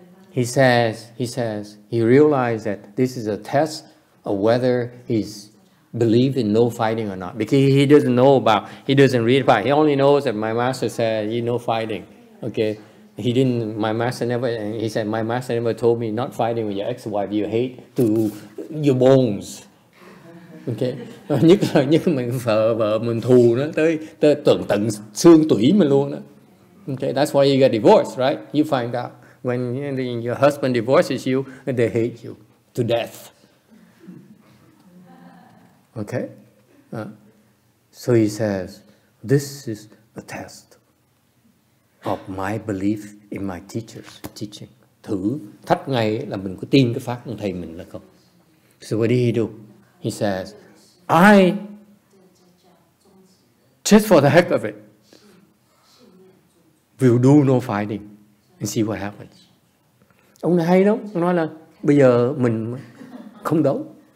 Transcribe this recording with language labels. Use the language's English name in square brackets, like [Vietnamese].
[English] He says, he realized that this is a test of whether he's believe in no fighting or not. Because he doesn't know about, he doesn't read about. He only knows that my master said, you know, fighting. Okay. My master never told me not fighting with your ex-wife. You hate to your bones. Okay. [Vietnamese] Nhất là nhất mình vợ vợ mình thù nó tới tận tận xương tủy mình luôn đó. [English] Okay, that's why you get divorced, right? You find out when your husband divorces you, they hate you to death. Okay? So he says, this is a test of my belief in my teacher's teaching. [Vietnamese] Thử thách ngay là mình có tin cái pháp của thầy mình là không. [English] So what did he do? He says, I, just for the heck of it, will do no fighting and see what happens. [Vietnamese] Ông này hay lắm. Ông nói là bây giờ mình không đấu.